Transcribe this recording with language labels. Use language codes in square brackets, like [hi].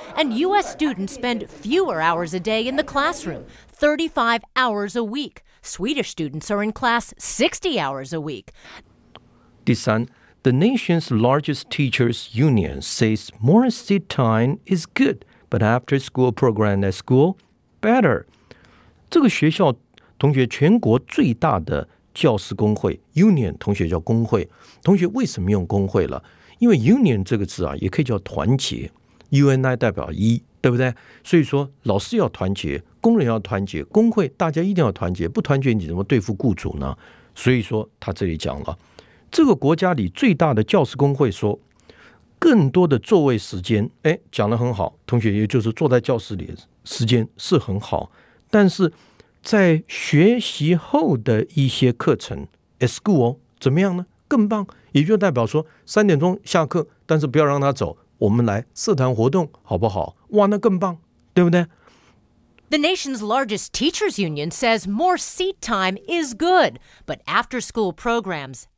[en] And U.S. students spend fewer hours a day in the classroom, 35 hours a week. Swedish students are in class 60 hours a week. [zh] 第三。 [en] The nation's largest teachers' union says more seat time is good, but after-school program at school, better. [zh] 这个学校同学全国最大的教师工会 union， 同学叫工会。同学为什么用工会了？因为 union 这个字啊，也可以叫团结 ，uni 代表一，对不对？所以说老师要团结，工人要团结，工会大家一定要团结，不团结你怎么对付雇主呢？所以说他这里讲了。这个国家里最大的教师工会说更多的座位时间，哎，讲得很好，同学也就是坐在教室里的时间是很好，但是在学习后的一些课程 [en] at school [zh] 怎么样呢？更棒，也就代表说三点钟下课，但是不要让他走，我们来社团活动好不好？哇，那更棒，对不对？ [en] The nation's largest teachers union says more seat time is good, but after school programs